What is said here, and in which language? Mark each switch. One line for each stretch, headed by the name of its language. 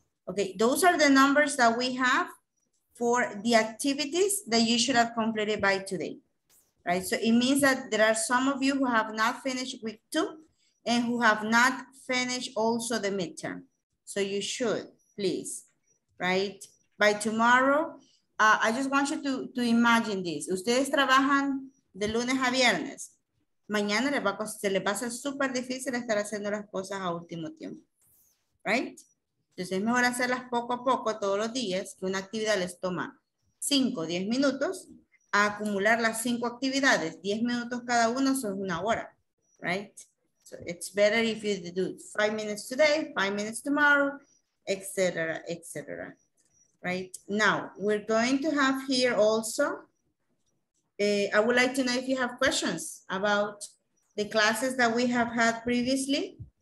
English: Okay, those are the numbers that we have for the activities that you should have completed by today, right? So it means that there are some of you who have not finished week two and who have not finished also the midterm. So you should, please, right? By tomorrow, I just want you to imagine this.
Spanish: Ustedes trabajan de lunes a viernes. Mañana se les va a ser súper difícil estar haciendo las cosas a último tiempo, right? Entonces es mejor hacerlas poco a poco todos los días, que una actividad les toma 5 o 10 minutos, a acumular las 5 actividades, 10 minutos cada uno, son 1 hora, right?
English: So it's better if you do 5 minutes today, 5 minutes tomorrow, etc., etc. Right? Now, we're going to have here also, I would like to know if you have questions about the classes that we have had previously.